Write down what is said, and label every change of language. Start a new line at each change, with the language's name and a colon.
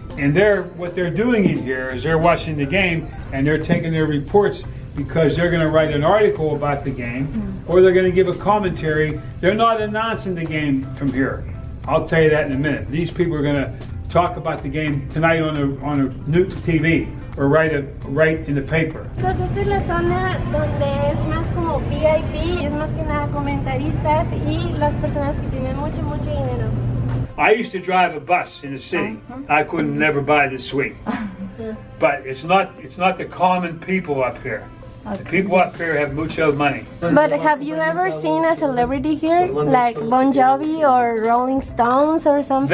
English: And they're what they're doing in here is they're watching the game and they're taking their reports because they're going to write an article about the game or they're going to give a commentary. They're not announcing the game from here. I'll tell you that in a minute. These people are going to talk about the game tonight on a new TV. Or write in the paper.
Spanish: Chicos, esta es la zona donde es más como VIP, es más que nada comentaristas y las personas que tienen mucho, mucho dinero.
English: I used to drive a bus in the city. Uh-huh. I couldn't uh-huh. never buy this suite. But it's not the common people up here. Okay. The people up here have mucho money. But have you ever seen a celebrity here? Like Bon Jovi or Rolling Stones or something?